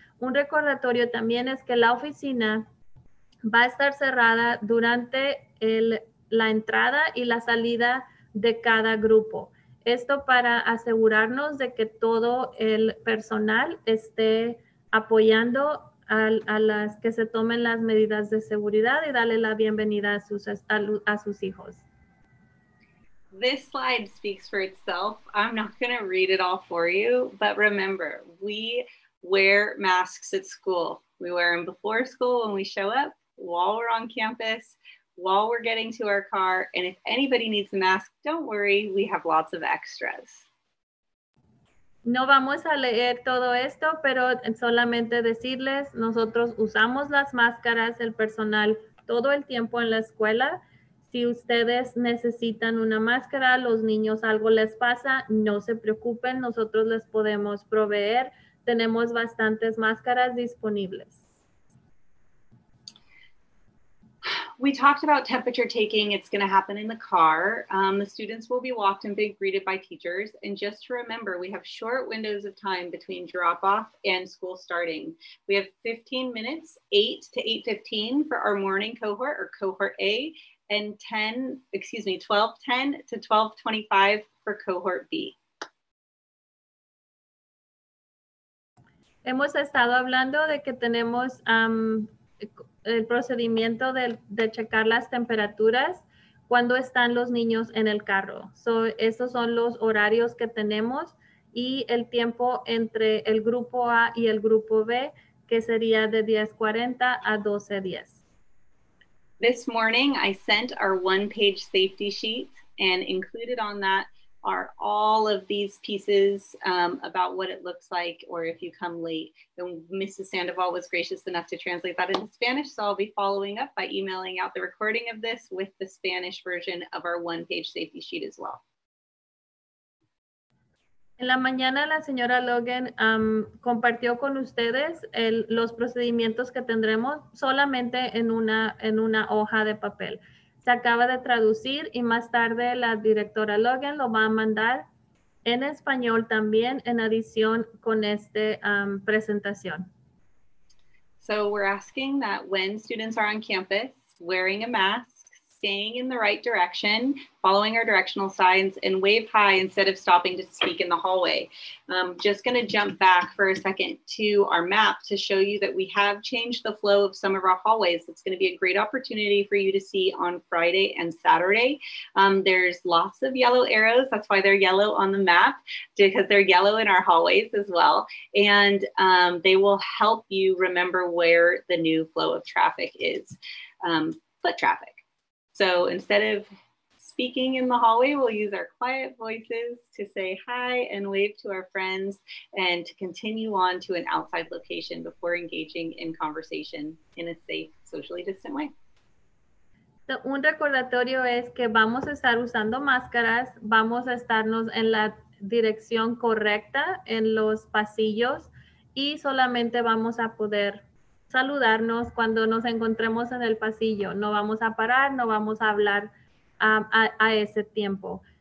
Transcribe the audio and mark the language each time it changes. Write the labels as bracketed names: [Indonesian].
[Spanish] Un recordatorio también es que la oficina va a estar cerrada durante la entrada y la salida de cada grupo. Esto para asegurarnos de que todo el personal esté apoyando a las que se tomen las medidas de seguridad y darle la bienvenida a sus hijos. [English] This slide speaks for itself. I'm not going to read it all for you, but remember, we wear masks at school. We wear them before school when we show up, while we're on campus, while we're getting to our car, and if anybody needs a mask, don't worry, we have lots of extras. No vamos a leer todo esto, pero solamente decirles, nosotros usamos las máscaras, el personal, todo el tiempo en la escuela. Si ustedes necesitan una máscara, los niños algo les pasa, no se preocupen, nosotros les podemos proveer. Tenemos bastantes máscaras disponibles. We talked about temperature taking. It's going to happen in the car. The students will be walked and being greeted by teachers. And just to remember, we have short windows of time between drop-off and school starting. We have 15 minutes, 8 to 8:15 for our morning cohort or cohort A, and 12:10 to 12:25 for cohort B. [Spanish] Hemos estado hablando de que tenemos el procedimiento de checar las temperaturas cuando están los niños en el carro. So, esos son los horarios que tenemos y el tiempo entre el grupo A y el grupo B, que sería de 10:40 a 12:10. [English] This morning I sent our one-page safety sheet and included on that are all of these pieces about what it looks like or if you come late. And Mrs. Sandoval was gracious enough to translate that into Spanish, so I'll be following up by emailing out the recording of this with the Spanish version of our one-page safety sheet as well. En la mañana, la señora Logan compartió con ustedes los procedimientos que tendremos solamente en una hoja de papel. Se acaba de traducir y más tarde la directora Logan lo va a mandar en español también en adición con esta presentación. So we're asking that when students are on campus wearing a mask, staying in the right direction, following our directional signs, and wave high instead of stopping to speak in the hallway. Just going to jump back for a second to our map to show you that we have changed the flow of some of our hallways. It's going to be a great opportunity for you to see on Friday and Saturday. There's lots of yellow arrows. That's why they're yellow on the map, because they're yellow in our hallways as well. And they will help you remember where the new flow of traffic is, foot traffic. So instead of speaking in the hallway, we'll use our quiet voices to say hi and wave to our friends and to continue on to an outside location before engaging in conversation in a safe, socially distant way. [Spanish] So, un recordatorio es que vamos a estar usando máscaras, vamos a estarnos en la dirección correcta en los pasillos y solamente vamos a poder saludarnos cuando nos encontremos en el pasillo. No vamos a parar, no vamos a hablar a ese tiempo.